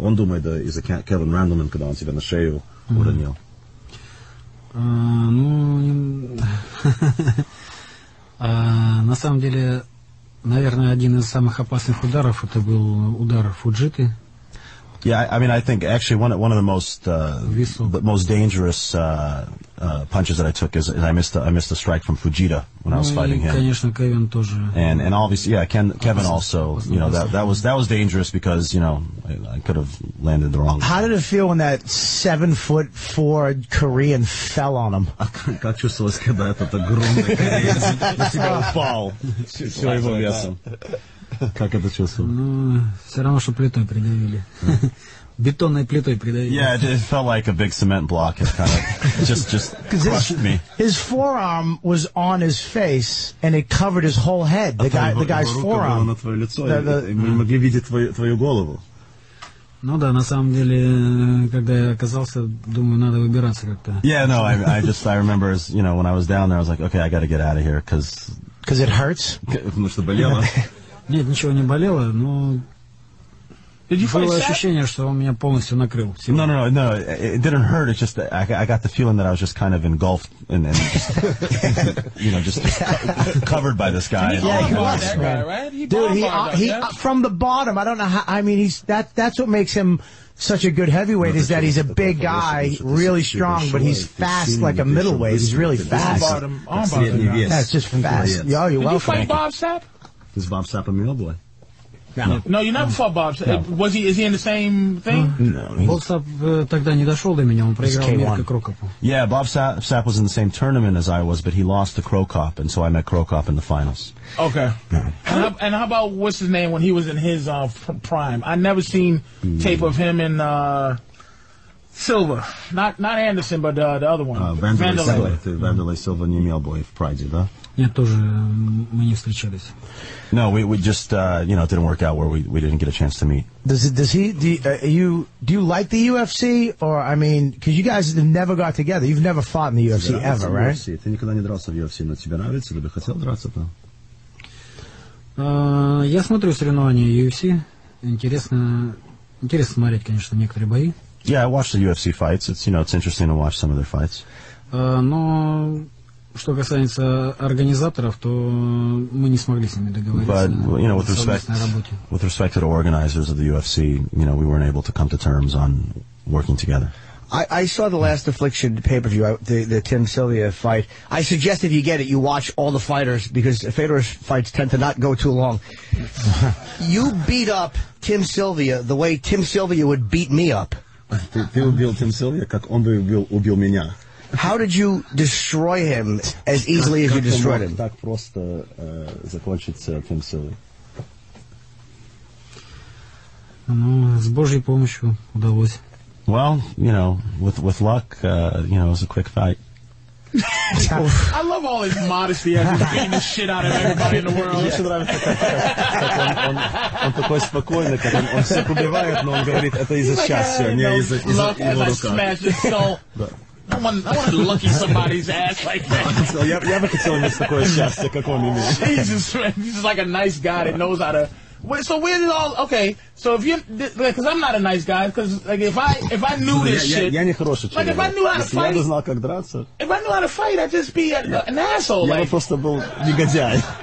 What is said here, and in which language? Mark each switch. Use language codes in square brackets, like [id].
[ru] Он думает, из-за Кевин Рэндлмен, когда он себя на шею уронил. Ну, на самом деле, наверное, один из самых опасных ударов это был удар Фуджиты. [en] Yeah, I mean, I think actually one of the most most dangerous punches that I took is I missed a strike from Fujita when I was fighting him. [ru] Конечно, Кевин тоже. [en] And obviously, yeah, Kevin also, you know, that was dangerous because, you know, I could have landed the wrong. How did it feel when that 7'4" Korean fell on him? [ru] Как чувствовалось, когда этот огромный кореец на себя упал? Все его весом. Как это чувствовалось? Ну, все равно, что плитой придавили. Бетонной плитой придавили. [en] Yeah, it felt like a big cement block. It kind of just crushed me. His forearm was on his face, and it covered his whole head. The guy's forearm. [ru] На твое лицо, мы могли видеть твою голову. Ну да, на самом деле, когда я оказался, думаю, надо выбираться как-то. [en] Yeah, no, I remember, as, you know, when I was down there, I was like, okay, I got to get out of here, because... it hurts? [ru] Потому что болело. Нет, ничего не болело, но было ощущение, что он меня полностью накрыл. [en] No, it didn't hurt, it's just I got the feeling that I was just kind of engulfed and you know, just covered by this guy. Yeah, he was, that man. Guy, right? From the bottom, I don't know how, I mean, that's what makes him such a good heavyweight, is that he's a big guy, really strong, but he's fast like a middleweight, he's really fast. That's just fast. Yeah, you're welcome. Did you fight Bob Sapp? Is Bob Sapp a meal boy? No, you never fought Bob Sapp. No. Was he? Is he in the same thing? No. [ru] Bob Sapp тогда не дошел до меня. Он проиграл мне как Крокопу. [en] Yeah, Bob Sapp was in the same tournament as I was, but he lost to Krokop, and so I met Krokop in the finals. Okay. Yeah. And how about what's his name when he was in his prime? I never seen tape of him in Silva. Not Anderson, but the other one. Vanderlei Silva, new meal boy, pride you, though. [ru] Нет, тоже мы не встречались. [en] No, we just you know, it didn't work out where we didn't get a chance to meet. Do you like the UFC, or I mean, because you guys never got together. You've never fought in the UFC ever, right? UFC. [ru] Ты никогда не дрался в UFC, но тебе нравится, ты бы хотел драться там? Я смотрю соревнования UFC. Интересно смотреть, конечно, некоторые бои. [en] Yeah, I watch the UFC fights. It's, you know, it's interesting to watch some of their fights. [ru] Но что касается организаторов, то мы не смогли с ними договориться. [en] But, you know, with respect to the organizers of the UFC, you know, we weren't able to come to terms on working together. I saw the last Affliction pay-per-view, the Tim Sylvia fight. I suggest if you get it, you watch all the fighters, because Fedor's fights tend to not go too long. You beat up Tim Sylvia the way Tim Sylvia would beat me up. [ru] Ты убил Тим Сильвия, как он бы убил меня. [en] How did you destroy him as easily as you destroyed him? [ru] Так просто закончится Тим Сильвия. Ну, с Божьей помощью удалось. [en] Well, you know, with luck, you know, it was a quick fight. I love all his modesty as he's beating the shit out of everybody in the world. [ru] Мне еще нравится, как он такой спокойный, как он всех убивает, но он говорит, это из-за счастья, не из-за его рука. [en] Luck, as I smash his soul. I want to lucky somebody's ass like that. [ru] Я бы хотел иметь такое счастье, как он имеет. [en] Jesus, he's just like a nice guy that knows how to... So where did all... Okay, so if you... Because I'm not a nice guy, because like, if I knew this shit... [ru] Я не хороший человек. [en] Like, if I knew how to fight... [ru] Я бы знал, как драться. [en] If I knew how to fight, I'd just be an asshole. [ru] Я бы просто был негодяй.